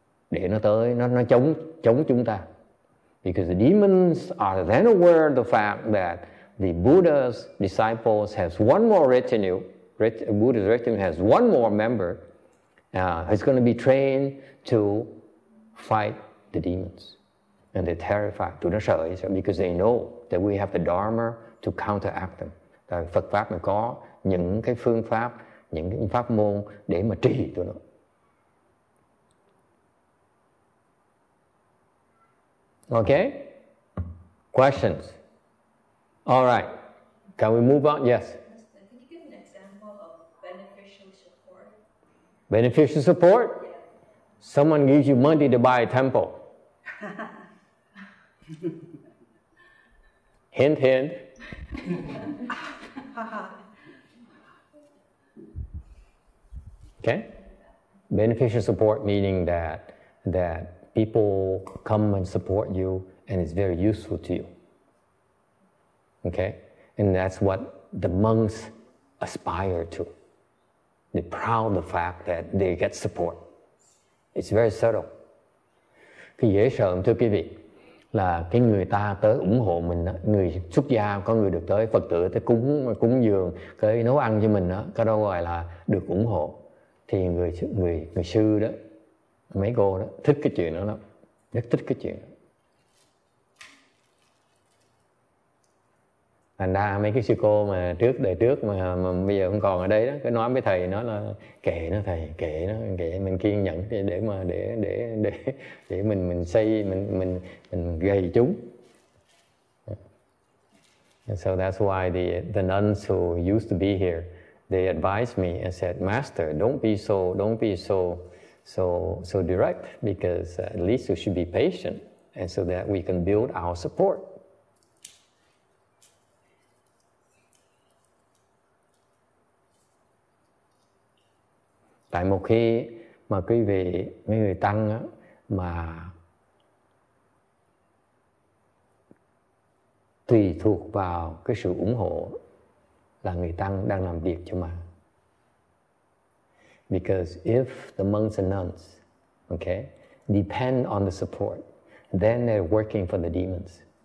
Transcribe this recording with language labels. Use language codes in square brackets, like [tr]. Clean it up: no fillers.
[vi] Để nó tới, nó chống chúng ta. [en] Because the demons are then aware of the fact that the Buddha's disciples has one more retinue. Buddha's retinue has one more member. He's going to be trained to fight the demons. And they're terrified. [vi] Tụi nó sợ, [en] because they know that we have the Dharma to counteract them. [vi] Phật pháp mà có những cái phương pháp, những cái pháp môn để mà trì tụi nó. [en] Okay? Questions? All right. Can we move on? Yes. Can you give an example of beneficial support? Beneficial support? Yeah. Someone gives you money to buy a temple. Hint, hint. Okay? Beneficial support meaning that people come and support you and it's very useful to you. Okay? And that's what the monks aspire to. They're proud of the fact that they get support. It's very subtle. [vi] Cái dễ sợ thưa quý vị là cái người ta tới ủng hộ mình đó, người xuất gia có người được tới Phật tử tới cúng dường, tới nấu ăn cho mình đó, cái đó gọi là được ủng hộ. Thì người sư đó, mấy cô đó thích cái chuyện đó lắm, rất thích cái chuyện đó. Thành ra mấy cái sư cô mà trước đời trước mà bây giờ không còn ở đây đó, cứ nói với thầy, nói là kệ nó thầy, kệ nó, kệ mình kiên nhẫn để mình xây mình gầy chúng. [en] And so that's why the nuns who used to be here, they advised me and said, Master, don't be so direct, because at least you should be patient, and so that we can build our support. [vi] Tại một khi mà quý vị, mấy người tăng á, mà tùy thuộc vào cái sự ủng hộ là người tăng đang làm việc cho mà. [en] Because if the monks and nuns, okay, depend on the support, then they're working for the demons.